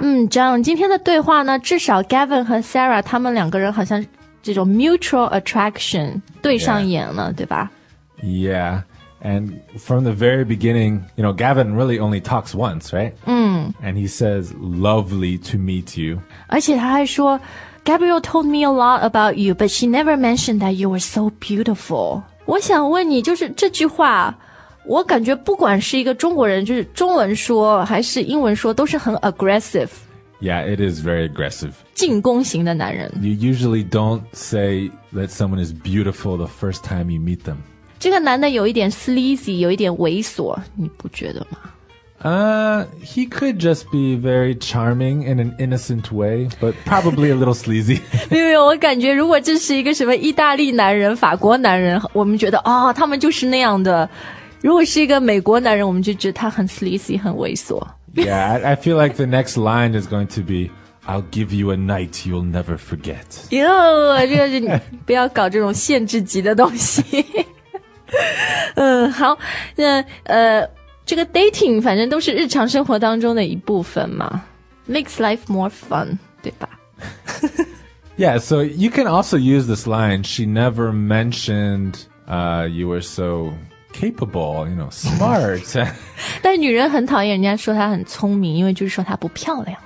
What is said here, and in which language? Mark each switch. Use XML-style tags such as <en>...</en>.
<zh>John, 今天的对话呢，至少 Gavin 和 Sarah 他们两个人好像这种</zh> <en>mutual attraction</en> <zh>对上眼了， yeah. 对吧？</zh> <en>Yeah, and from the very beginning, you know, Gavin really only talks once, right? And he says, lovely to meet you.</en> <zh>而且他还说</zh> <en>Gabriel told me a lot about you, but she never mentioned that you were so beautiful.</en> <zh>我想问你，就是这句话我感觉不管是一个中国人就是中文说还是英文说都是很 aggressive.</zh> <en>Yeah, it is very aggressive.</en> <zh>进攻型的男人。</zh> <en>You usually don't say that someone is beautiful the first time you meet them.</en> <zh>这个男的有一点 sleazy, 有一点猥琐你不觉得吗？</zh> <en>He could just be very charming in an innocent way, but probably a little sleazy.</en> <zh>没有，我感觉如果这是一个什么意大利男人法国男人我们觉得哦他们就是那样的。如果是一个美国男人，我们就觉得他很 sleazy， 很猥琐。</zh> <en>Yeah, I feel like the next line is going to be, "I'll give you a night you'll never forget."</en> <zh>Yo, 这个不要搞这种限制级的东西。好，那这个 dating 反正都是日常生活当中的一部分嘛 ，</zh> <en>makes life more fun，</en> <zh>对吧？</zh> <en>Yeah, so you can also use this line. She never mentioned, you were so. capable, you know, smart.</en> <zh>但女人很讨厌人家说她很聪明，因为就是说她不漂亮。</zh>